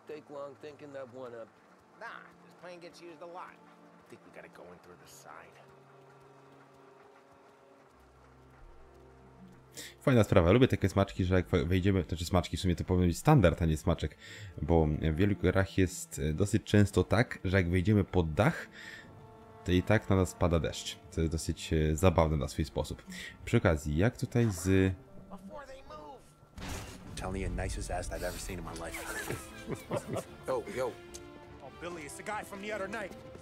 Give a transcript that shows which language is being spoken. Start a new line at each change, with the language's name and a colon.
English: long thinking that one up. Nah, this plane gets used a lot. I think we gotta go in through the side.
Polish: Fajna sprawa. Lubię takie smaczki, że jak wejdziemy, to znaczy smaczki, w sumie to powinno być standard, a nie smaczek. Bo w wielu grach jest dosyć często tak, że jak wejdziemy pod dach, to i tak na nas pada deszcz. To jest dosyć zabawne na swój sposób. Przy okazji, jak tutaj z...
English: Telling you the nicest ass I've ever seen in my life. Yo, yo. Oh, Billy, it's the guy from the other night.